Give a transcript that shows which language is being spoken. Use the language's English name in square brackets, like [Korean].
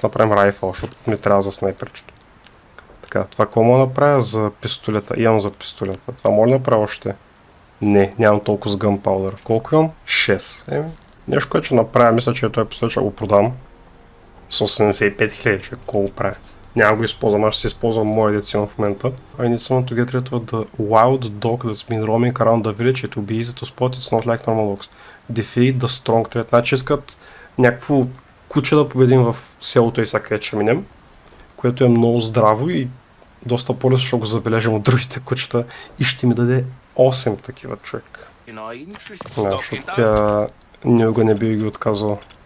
[Bulgarian] Ай ще направим rifle, защото ми трябва за снайперчето. Така, това какво мога направя за пистолета? Имам за пистолета. Това мога ли направя още? Не, нямам толкова с gunpowder. Колко имам? 6. Нещо, което ще направя, мисля, че той пистолет ще го продам. С 85 000, че колко правя. Няма го използвам, аз ще се използвам моя децима в момента. [English] I need someone to get rid of the wild dog that's been roaming around the village. It will be easy to spot, it's not like normal dogs. Defeat the strong threat. [Bulgarian] Значи искат някакво куче да победим в селото и сега къде ще минем. Което е много здраво и доста по-лесно ще го забележим от другите кучета. И ще ми даде 8 такива човек. Значи тя никога не би ги отказал.